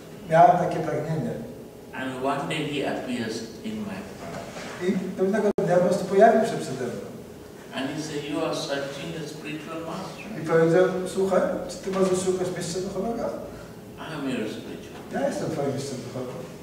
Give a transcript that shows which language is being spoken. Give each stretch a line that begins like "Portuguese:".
Polish: Miałem takie pragnienie.
English: And one day he appears in my path.
Polish: I pewnego dnia po prostu pojawił się przede mną.
English: And he said, you are searching a spiritual master.
Polish: I powiedział, słuchaj, czy ty może szukasz mistrza duchowego?
English: I am your spiritual.
Polish: Ja jestem twoim mistrzem duchowym.